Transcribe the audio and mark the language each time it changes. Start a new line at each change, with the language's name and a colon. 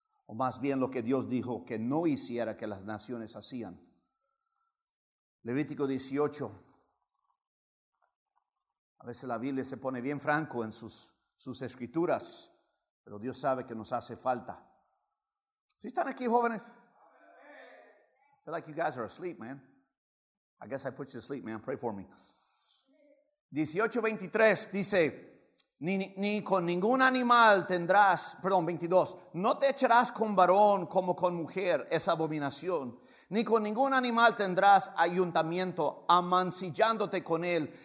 Spanish: O más bien lo que Dios dijo que no hiciera que las naciones hacían. Levítico 18. A veces la Biblia se pone bien franco en sus escrituras. Pero Dios sabe que nos hace falta. ¿Sí están aquí, jóvenes?
English: I feel like you guys are asleep, man. I guess I put you to sleep, man. Pray for me.
Spanish: 18:23 dice, ni con ningún animal tendrás, perdón, 22, no te echarás con varón como con mujer, es abominación. Ni con ningún animal tendrás ayuntamiento, amancillándote con él.